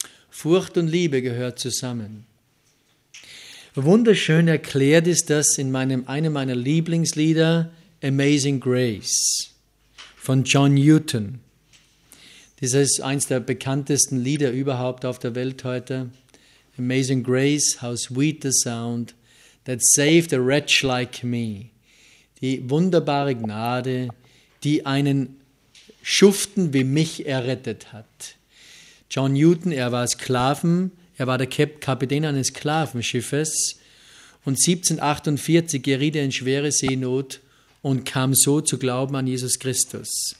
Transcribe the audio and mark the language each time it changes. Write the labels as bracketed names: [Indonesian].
[German] Furcht und Liebe gehört zusammen. Wunderschön erklärt ist das in einem meiner Lieblingslieder, Amazing Grace, von John Newton. Das ist eins der bekanntesten Lieder überhaupt auf der Welt heute. [English] Amazing Grace, how sweet the sound that saved a wretch like me. [German] Die wunderbare Gnade, die einen Schuften wie mich errettet hat. John Newton, er war der Kapitän eines Sklavenschiffes und 1748 geriet er in schwere Seenot und kam so zu glauben an Jesus Christus.